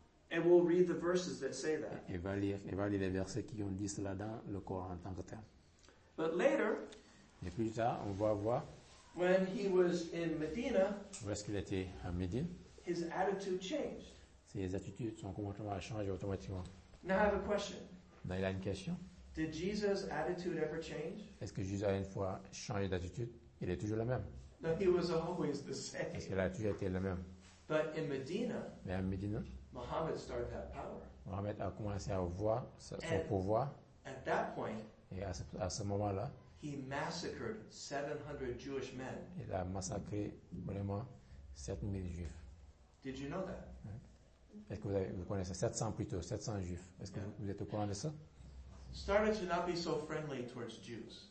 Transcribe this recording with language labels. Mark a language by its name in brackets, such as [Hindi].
[English] And we'll read the verses that say that. [French] Et va lire les versets qui ont dit cela dans le Coran en tant que tel. [English] But later, [French] et plus tard, on va voir [English] when he was in Medina, [French] où est-ce qu'il était à Médine, [English] his attitude changed. [French] Ses attitudes, son comportement a changé automatiquement. [English] Now I have a question. [French] Là, il a une question. [English] Did Jesus' attitude ever change? [French] Est-ce que Jésus a une fois changé d'attitude? Il est toujours le même. [English] No, he was always the same. [French] Est-ce qu'il a toujours été le même? [English] But in Medina, [French] mais à Médine, [English] Muhammad started to have power. [French] Muhammad a commencé à avoir son pouvoir. [English] At that point, [French] et à ce moment-là, [English] he massacred 700 Jewish men. [French] Il a massacré vraiment 7000 juifs. [English] Did you know that? [French] Est-ce que vous connaissez 700 juifs? Est-ce que vous êtes au courant de ça? [English] Started to not be so friendly towards Jews.